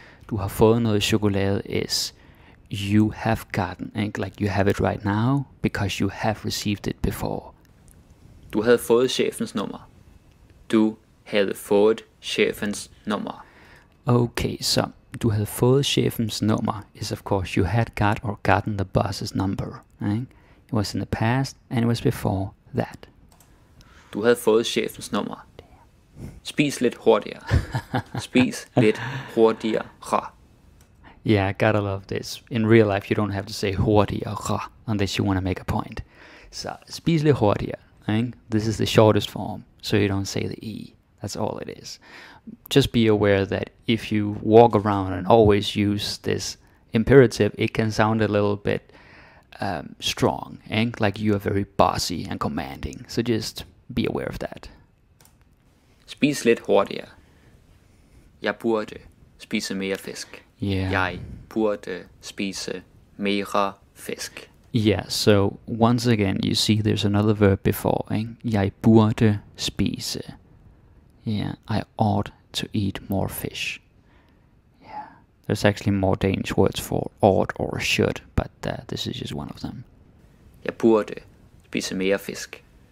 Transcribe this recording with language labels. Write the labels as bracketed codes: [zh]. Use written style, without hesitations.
[da] Du har fået noget chokolade [en] is you have gotten, like you have it right now because you have received it before. [da] Du havde fået chefens nummer. Du havde fået chefens nummer. [en] Okay, so [da] du havde fået chefens nummer [en] is of course you had got or gotten the boss's number. Right? It was in the past and it was before that. [da] Du havde fået chefens nummer. Spis lidt hurtigere. Spis lidt hurtigere. [en] Yeah, gotta love this. In real life, you don't have to say hurtigere unless you want to make a point. So, [da] spis lidt hurtigere. [en] This is the shortest form, so you don't say the E. That's all it is. Just be aware that if you walk around and always use this imperative, it can sound a little bit strong. Like you are very bossy and commanding. So just be aware of that. [da] Spis lidt hurtigere. Jeg burde spise mere fisk. [en] Yeah. [da] Jeg burde spise mere fisk. [en] Yeah, so once again, you see there's another verb before. [da] Jeg burde spise. [en] Yeah, I ought to eat more fish. Yeah, there's actually more Danish words for ought or should, but this is just one of them. [da] Jeg burde spise mere fisk.